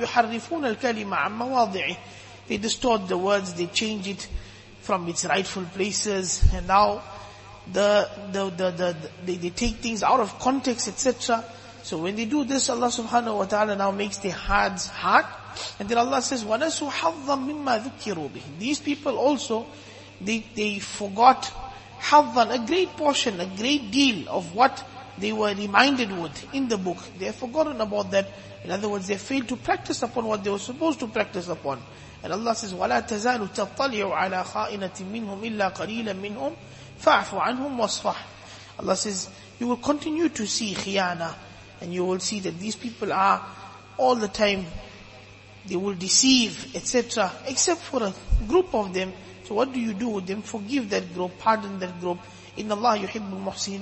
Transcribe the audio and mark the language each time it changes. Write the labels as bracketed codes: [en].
[ar] يُحَرِّفُونَ الْكَلِمَ عَمَّ مَوَاضِعِهِ. [en] They distort the words, they change it from its rightful places, and now they take things out of context, etc. So when they do this, Allah subhanahu wa ta'ala now makes their hearts hard. And then Allah says, [ar] وَنَسُوا حَظًّا مِمَّا ذُكِّرُوا بِهِ. [en] These people also, they forgot حَظًّا, a great portion, a great deal of what they were reminded with in the book. They have forgotten about that. In other words, they failed to practice upon what they were supposed to practice upon. And Allah says, [ar] وَلَا تَزَالُ تَطَّلِعُ عَلَىٰ خَائِنَةٍ مِّنْهُمْ إِلَّا قَلِيلًا مِّنْهُمْ فَاعْفُ عَنْهُمْ وَاصْفَحْ. [en] Allah says, you will continue to see khiyana, and you will see that these people are all the time, they will deceive, etc., except for a group of them. So what do you do with them? Forgive that group, pardon that group. [ar] إِنَّ اللَّهَ يُحِبُّ الْمُحْسِنِينَ.